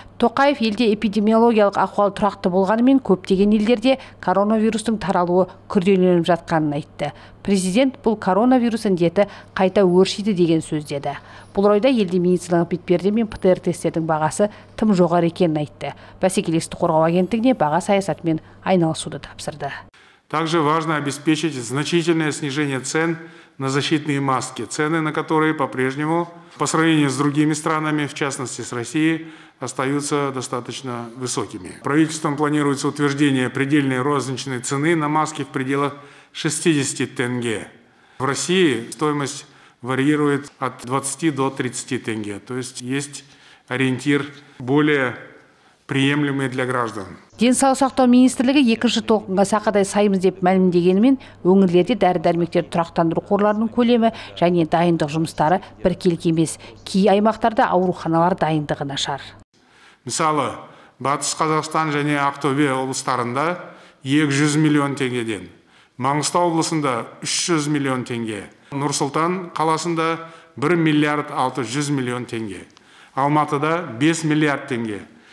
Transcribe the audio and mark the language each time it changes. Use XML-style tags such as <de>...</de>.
<kk>Тоқаев елде эпидемиологиялық ахуал тұрақты болғанымен көптеген елдерде коронавирустың таралуы күрделеніп жатқанын айтты. Президент бұл коронавирус індеті қайта өршиді деген сөз деді. Бұл орайда елде медициналық бетперде мен ПТР тесттердің бағасы тым жоғары екенін айтты. Бәсекелестікті қорғау агенттігіне баға саясатымен айналысуды тапсырды.</kk> <ru>Также важно обеспечить значительное снижение цен на защитные маски, цены на которые по-прежнему по сравнению с другими странами, в частности с Россией, остаются достаточно высокими. Правительством планируется утверждение предельной розничной цены на маски в пределах 60 тенге. В России стоимость варьирует от 20 до 30 тенге. То есть есть ориентир более приемлемый для граждан.</ru> <kk>Денсаулық сақтау министрлігі екінші толқынға сақадай саймыз деп мәлімдегенімен, өңірлерде дәрі-дәрмектер тұрақтандыру қорларының көлемі және дайындық жұмыстары біркелкі емес. Кей аймақтарда ауруханалар дайындығы нашар. Мысалы, Батыс Қазақстан және Ақтөбе облыстарында 200 миллион теңгеден, Маңғыстау облысында 300 миллион теңге, Нұр-Сұлтан қаласында 1 миллиард 600 миллион теңге, Алматыда 5 миллиард теңге.</kk>